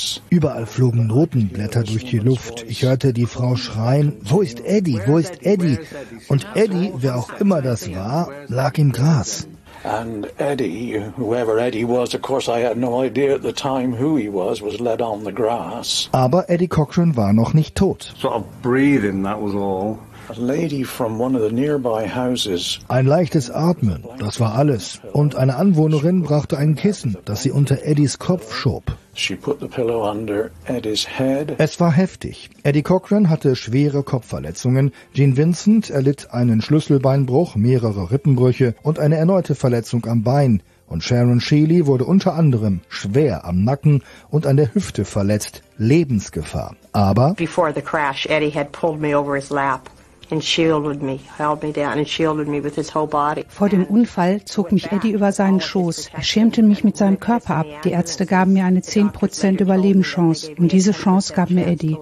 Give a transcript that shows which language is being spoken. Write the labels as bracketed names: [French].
[German] Überall flogen Notenblätter durch die Luft. Ich hörte die Frau schreien, wo ist Eddie, wo ist Eddie? Und Eddie, wer auch immer das war, lag im Gras. [English] And Eddie, whoever Eddie was, of course I had no idea at the time who he was led on the grass. [German] Aber Eddie Cochran war noch nicht tot. [English] Sort of breathing, that was all. A lady from one of the nearby houses. [German] Ein leichtes Atmen, das war alles. Und eine Anwohnerin brachte ein Kissen, das sie unter Eddies Kopf schob. [English] She put the pillow under Eddie's head. [German] Es war heftig. Eddie Cochran hatte schwere Kopfverletzungen. Gene Vincent erlitt einen Schlüsselbeinbruch, mehrere Rippenbrüche und eine erneute Verletzung am Bein. Und Sharon Sheely wurde unter anderem schwer am Nacken und an der Hüfte verletzt. Lebensgefahr. Aber [English] before the crash, Eddie had pulled me over his lap. [German] Vor dem Unfall zog mich Eddie über seinen Schoß. Er schirmte mich mit seinem Körper ab. Die Ärzte gaben mir eine 10% Überlebenschance. Und diese Chance gab mir Eddie.